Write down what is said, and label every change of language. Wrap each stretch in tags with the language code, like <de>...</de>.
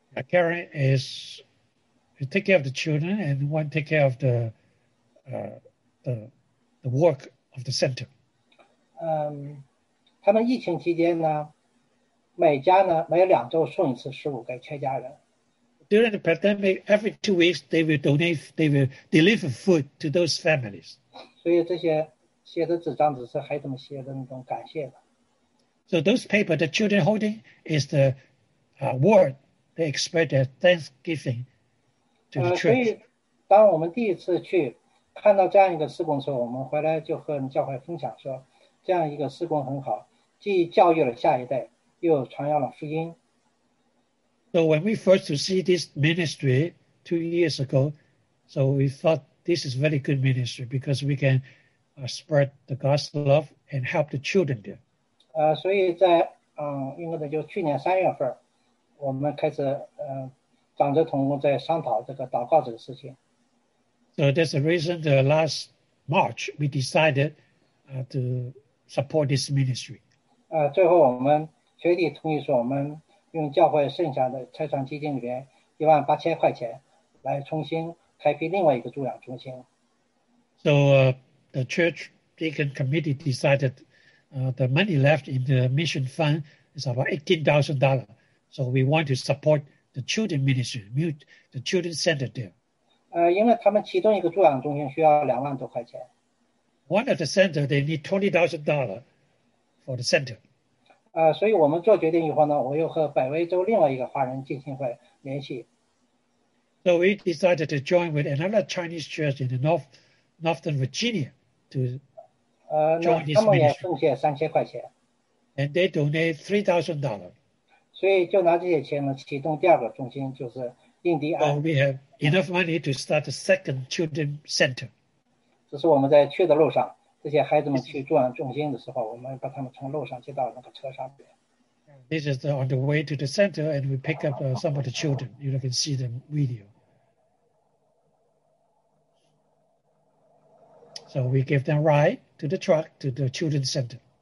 <en>Karen is to take care of the children and one take care of the work of the center.</en> <zh>他们疫情期间呢，每家呢每两周送一次食物给全家人。</zh> <en>During the pandemic, every 2 weeks they will donate, they will deliver food to those families.</en> <zh>所以这些写的纸张只是孩子们写的那种感谢的。</zh> <en>So those paper the children holding is the word. They express their thanksgiving to the church.</en> <zh>所以，当我们第一次去看到这样一个施工的时候，我们回来就和教会分享说，这样一个施工很好，既教育了下一代，又传扬了福音。</zh> <en>So when we first to see this ministry 2 years ago, so we thought this is very good ministry because we can spread the gospel of and help the children there.</en> <zh>所以在应该的就去年三月份。我们开始长者同工在商讨这个祷告这个事情。</zh> <en>So that's the reason the last March we decided to support this ministry.</en> <zh>最后我们决定同意说我们用教会剩下的财产基金里面18000块钱来重新开辟另外一个助养中心。</zh> <en>So the church deacon committee decided the money left in the mission fund is about $18,000. So we want to support the children ministry, the children center there.</en> <zh>因为他们其中一个助养中心需要20000多块钱。</zh> <en>One of the center, they need $20,000 for the center.</en> <zh>所以我们做决定以后呢，我又和北威州另外一个华人浸信会联系。</zh> <en>So we decided to join with another Chinese church in the Northern Virginia to join this ministry.</en> <zh>他们也奉献3000块钱。</zh> <en>And they donate $3,000.</en> <zh>所以就拿这些钱呢，启动第二个中心，就是印第安。</zh> <en>Well, we have enough money to start the second children center.</en> <zh>这是我们在去的路上，这些孩子们去助养中心的时候，我们把他们从路上接到那个车上边。</zh> <en>This is on the way to the center, and we pick up some of the children. You can see the video. So we give them ride to the truck to the children's center.</en>